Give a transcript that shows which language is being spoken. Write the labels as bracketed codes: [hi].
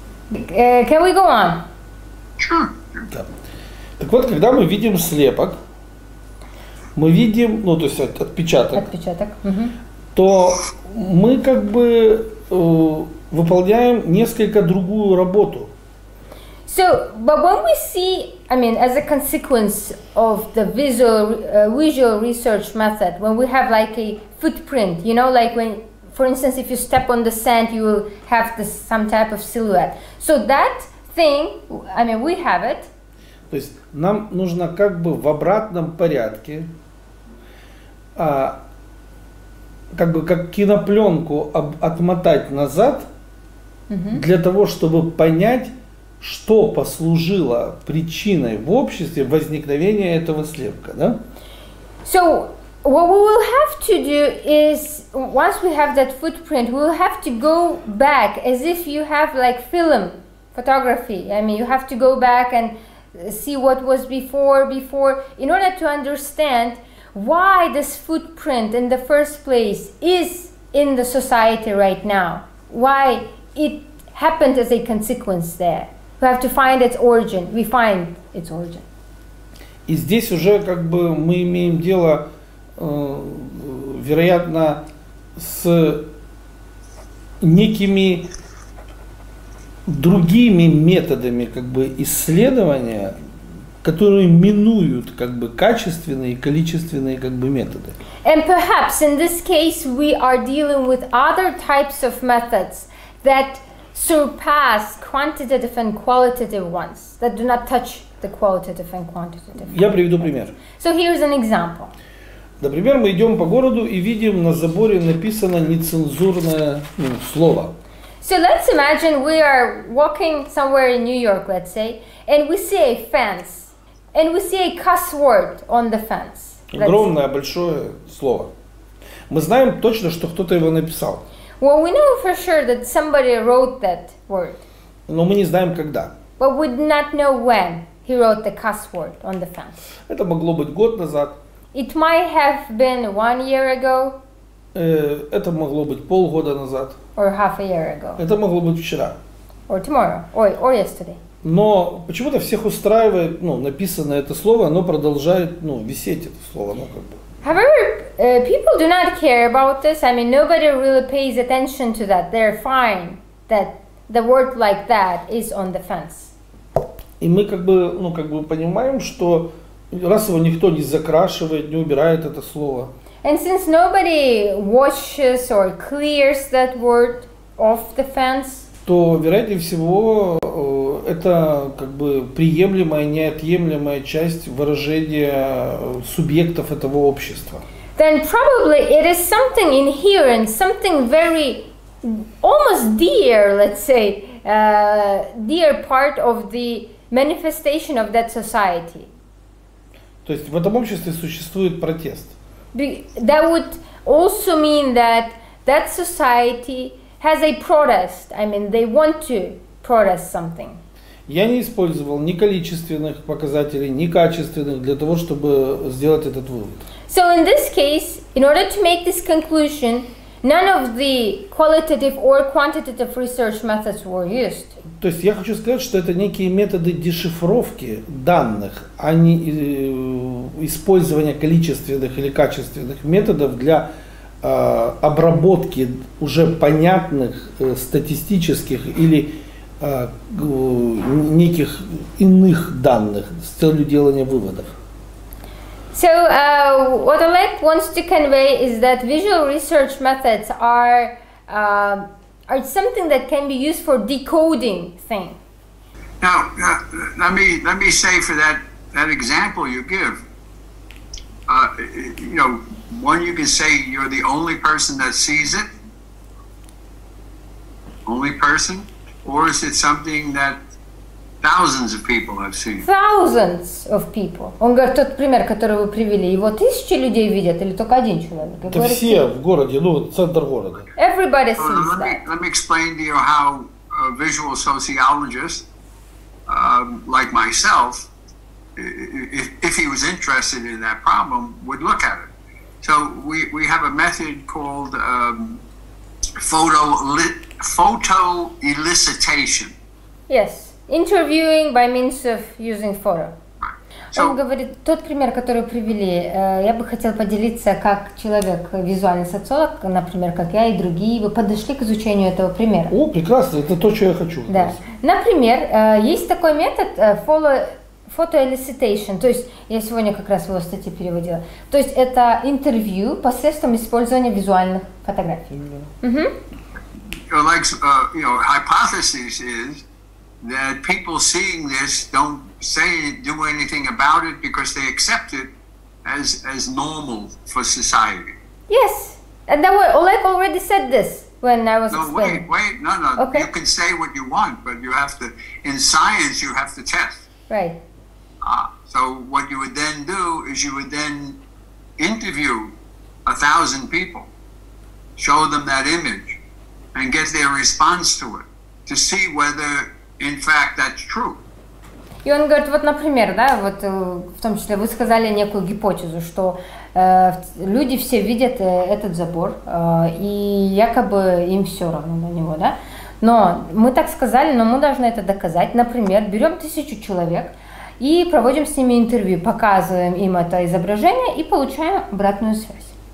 [en] Can we go on? [ru] Да. Так вот, когда мы видим слепок, мы видим, ну, то есть отпечаток, то мы как бы выполняем несколько другую работу. [en] So, but when we see, I mean, as a consequence of the visual research method, when we have like a footprint, you know, like when, for instance, if you step on the sand, you will have this, some type of silhouette. So that thing, I mean, we have it. [ru] То есть нам нужно как бы в обратном порядке, как бы как кинопленку отмотать назад, для того, чтобы понять, что послужило причиной в обществе возникновения этого слепка, да? [en] So, what we will have to do is, once we have that footprint, we will have to go back as if you have like film. Photography. I mean, you have to go back and see what was before, in order to understand why this footprint in the first place is in the society right now. Why it happened as a consequence there. We have to find its origin. We find its origin. [ru] И здесь уже как бы мы имеем дело, вероятно, с некими другими методами как бы исследования, которые минуют как бы качественные и количественные как бы методы. [en] And perhaps in this case we are dealing with other types of methods that surpass quantitative and qualitative ones, that do not touch the qualitative and quantitative. [ru] Я приведу пример. [en] So here is an example. [ru] Например, мы идем по городу и видим на заборе написано нецензурное, ну, слово. [en] So let's imagine we are walking somewhere in New York, let's say, and we see a fence, and we see a cuss word on the fence. [ru] Огромное, большое слово. Мы знаем точно, что кто-то его написал. [en] Well, we know for sure that somebody wrote that word. [ru] Но мы не знаем, когда. [en] But we do not know when he wrote the cuss word on the fence. [ru] Это могло быть год назад. [en] It might have been 1 year ago. [ru] Это могло быть полгода назад. [en] Or half a year ago. [ru] Это могло быть вчера. [en] Or tomorrow. Or yesterday. [ru] Но почему-то всех устраивает, ну, написанное это слово, оно продолжает, ну, висеть это слово, ну, как бы. [en] However, people do not care about this. I mean, nobody really pays attention to that. They're fine that the word like that is on the fence. [ru] И мы как бы, ну, как бы понимаем, что раз его никто не закрашивает, не убирает это слово. [en] And since nobody washes or clears that word off the fence, [ru] то, вероятнее всего, это как бы приемлемая, неотъемлемая часть выражения субъектов этого общества. [en] Then probably it is something inherent, something very almost dear, let's say, dear part of the manifestation of that society. [ru] То есть в этом обществе существует протест. [en] That would also mean that that society has a protest. I mean, they want to protest something. [ru] Я не использовал ни количественных показателей, ни качественных для того, чтобы сделать этот вывод. [en] So in this case, in order to make this conclusion, none of the qualitative or quantitative research methods were used. [ru] То есть я хочу сказать, что это некие методы дешифровки данных, а не использование количественных или качественных методов для обработки уже понятных статистических или неких иных данных с целью делания выводов. [en] So, what Oleg wants to convey is that visual research methods are something that can be used for decoding things. Now, let me say for that that example you give, you know, one, you can say you're the only person that sees it, only person, or is it something that thousands of people have seen? Thousands of people. [ru] Он говорит, тот пример, который вы привели, его тысячи людей видят или только один человек? Да все в городе, ну, центр города. [en] Everybody sees that. Let me explain to you how a visual sociologist, like myself, if he was interested in that problem, would look at it. So we have a method called photo elicitation. Yes, interviewing by means of using photo. [ru] Он говорит, тот пример, который привели, я бы хотел поделиться, как человек, визуальный социолог, например, как я и другие, вы подошли к изучению этого примера. О, прекрасно, это то, что я хочу. Да. Например, есть такой метод photo elicitation, то есть я сегодня как раз его статьи переводила, то есть это интервью посредством использования визуальных фотографий. Mm-hmm. [en] Like, you know, hypothesis is that people seeing this don't say do anything about it because they accept it as normal for society. Yes, and that way Oleg already said this when I was explaining. No, wait, okay. You can say what you want, but you have to, in science you have to test. Right. So what you would then do is you would then interview 1,000 people, show them that image, and get their response to it, to see whether in fact that's true. [ru] И он говорит, вот, например, да, вот в том числе вы сказали некую гипотезу, что люди все видят этот забор, и якобы им все равно на него, да? Но мы так сказали, но мы должны это доказать. Например, берем 1000 человек и проводим с ними интервью, показываем им это изображение и получаем обратную связь.